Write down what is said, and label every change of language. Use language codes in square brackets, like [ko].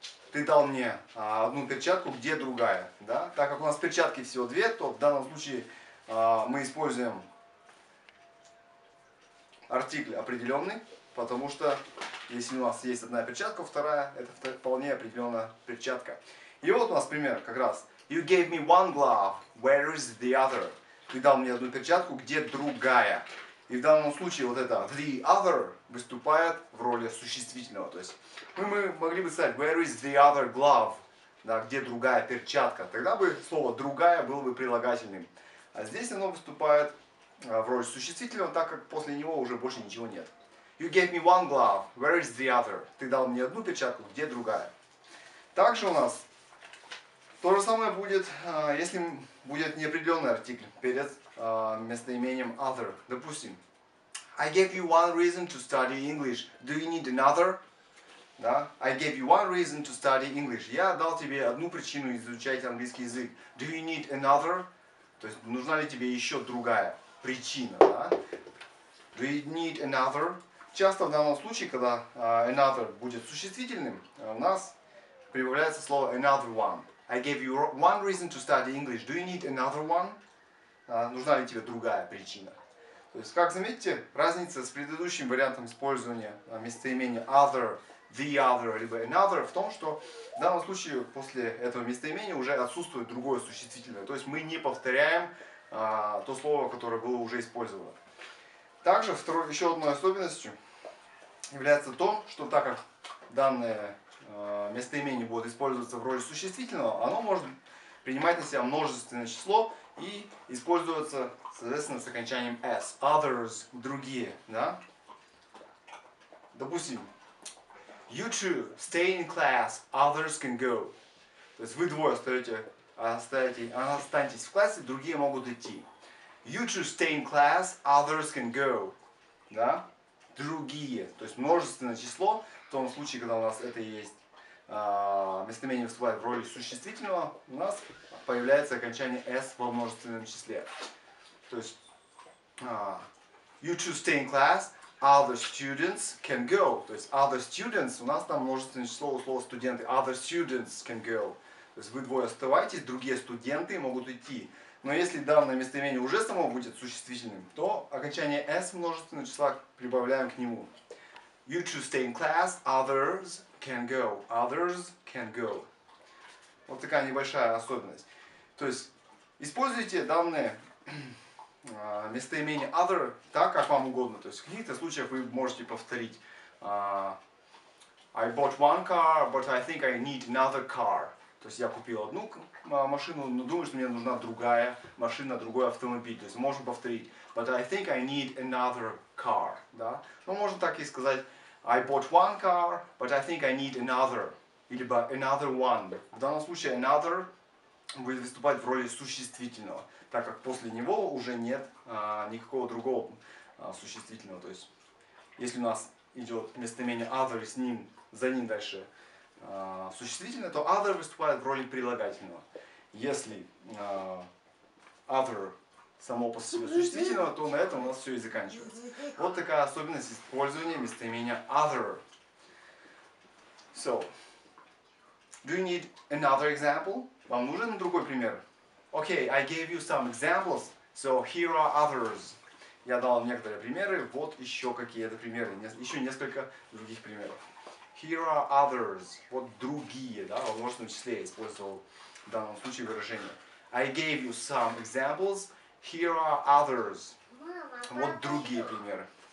[ru] Ты дал мне одну перчатку, где другая? Да? Так как у нас перчатки всего две, то в данном случае мы используем артикль определенный, потому что если у нас есть одна перчатка, вторая, это вполне определенная перчатка. И вот у нас пример как раз. [en] You gave me one glove, where is the other? [ru] Ты дал мне одну перчатку, где другая? И в данном случае вот это the other выступает в роли существительного. То есть мы могли бы сказать [en] where is the other glove, [ru] да, где другая перчатка. Тогда бы слово другая было бы прилагательным. А здесь оно выступает в роли существительного, так как после него уже больше ничего нет. [en] You gave me one glove, where is the other? [ru] Ты дал мне одну перчатку, где другая? Также у нас то же самое будет, если будет неопределенный артикль перед местоимением other. Допустим, [en] I gave you one reason to study English. Do you need another? Да? I gave you one reason to study English. [ru] Я дал тебе одну причину изучать английский язык. [en] Do you need another? [ru] То есть, нужна ли тебе еще другая причина? Да? [en] Do you need another? [ru] Часто в данном случае, когда another будет существительным, у нас прибавляется слово another one. [en] I gave you one reason to study English. Do you need another one? [ru] Нужна ли тебе другая причина? То есть, как заметите, разница с предыдущим вариантом использования местоимения other, the other, либо another в том, что в данном случае после этого местоимения уже отсутствует другое существительное. То есть мы не повторяем то слово, которое было уже использовано. Также еще одной особенностью является то, что так как данное местоимение будет использоваться в роли существительного, оно может принимать на себя множественное число и используется, соответственно, с окончанием s. [en] Others – [ru] другие, да? Допустим, [en] you two stay in class, others can go. [ru] То есть вы двое останетесь в классе, другие могут идти. [en] You two stay in class, others can go. [ru] Да? Другие. То есть множественное число в том случае, когда у нас это есть. Местоимение вступает в роли существительного, у нас появляется окончание s во множественном числе. То есть [en] you two stay in class, other students can go. [ru] То есть other students, у нас там множественное число у слова студенты. [en] Other students can go. [ru] То есть вы двое оставайтесь, другие студенты могут идти. Но если данное местоимение уже само будет существительным, то окончание s множественного числа прибавляем к нему. [en] You two stay in class, others can go. Others can go. [ru] Вот такая небольшая особенность. То есть, используйте данное местоимение other так, как вам угодно. То есть, в каких-то случаях вы можете повторить. [en] I bought one car, but I think I need another car. [ru] То есть, я купил одну машину, но думаю, что мне нужна другая машина, другой автомобиль. То есть, можно повторить. [en] But I think I need another car. [ru] Да? Ну, можно так и сказать. [en] I bought one car, but I think I need another. [ru] Или бы [en] another one. [ru] В данном случае another будет выступать в роли существительного, так как после него уже нет никакого другого существительного. То есть, если у нас идет местоимение other и за ним дальше существительное, то other выступает в роли прилагательного. Если other само по себе существительного, то на этом у нас все и заканчивается. Вот такая особенность использования местоимения other. [en] So, do you need another example? [ru] Вам нужен другой пример? [en] Okay, I gave you some examples, so here are others. [ru] Я дал вам некоторые примеры, вот еще какие-то примеры, еще несколько других примеров. [en] Here are others, [ru] вот другие, да, в множественном числе я использовал в данном случае выражение. [en] I gave you some examples. Here are others. [ru] Мама, вот другие примеры.